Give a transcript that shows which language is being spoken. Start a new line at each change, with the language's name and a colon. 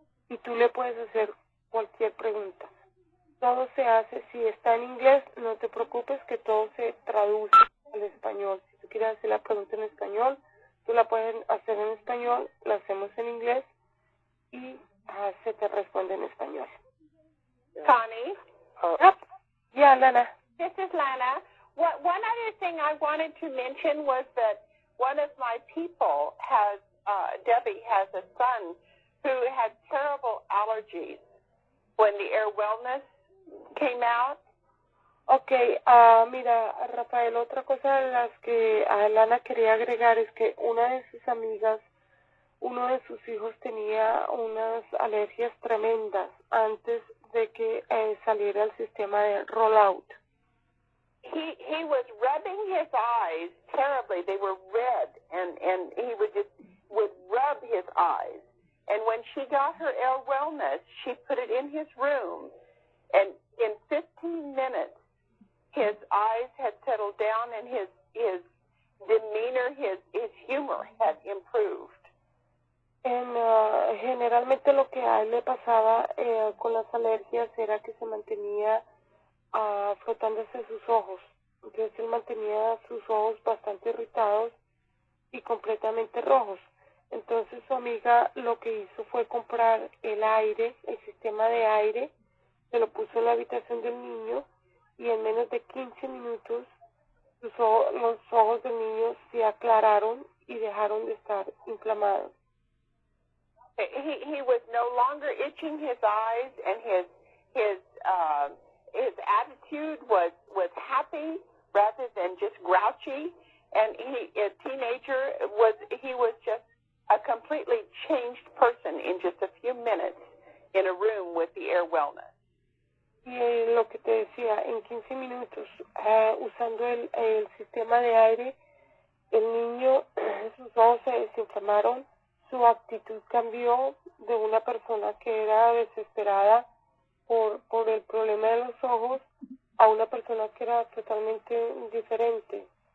Spanish: Y tú le puedes hacer cualquier pregunta. Todo se hace, si está en inglés, no te preocupes, que todo se traduce al español. Si tú quieres hacer la pregunta en español, tú la puedes hacer en español, la hacemos en inglés y se te responde en español.
English: Connie? Yeah, Lana. This is Lana. One other thing I wanted to mention was that one of my people has, Debbie has a son who had terrible allergies when the Air Wellness came out.
Spanish: Okay, mira, Rafael, otra cosa de las que Alana quería agregar es que una de sus amigas, uno de sus hijos tenía unas alergias tremendas antes de que saliera el sistema de rollout.
English: He was rubbing his eyes terribly. They were red, and he would rub his eyes. And when she got her Air Wellness, she put it in his room, and in 15 minutes, his eyes had settled down, and his demeanor, his humor had improved.
Spanish: And generalmente lo que a él le pasaba con las alergias era que se mantenía frotándose sus ojos. Entonces él mantenía sus ojos bastante irritados y completamente rojos. Entonces su amiga lo que hizo fue comprar el aire, el sistema de aire, se lo puso en la habitación del niño. Y en menos de 15 minutos, los ojos del niño se aclararon y dejaron de estar inflamados.
English: He was no longer itching his eyes, and his attitude was happy rather than just grouchy. And he was just a completely changed person in just a few minutes in a room with the Air Wellness.
Spanish: Y lo que te decía, en 15 minutos, usando el sistema de aire, el niño, sus ojos se desinflamaron, su actitud cambió de una persona que era desesperada por el problema de los ojos a una persona que era totalmente diferente.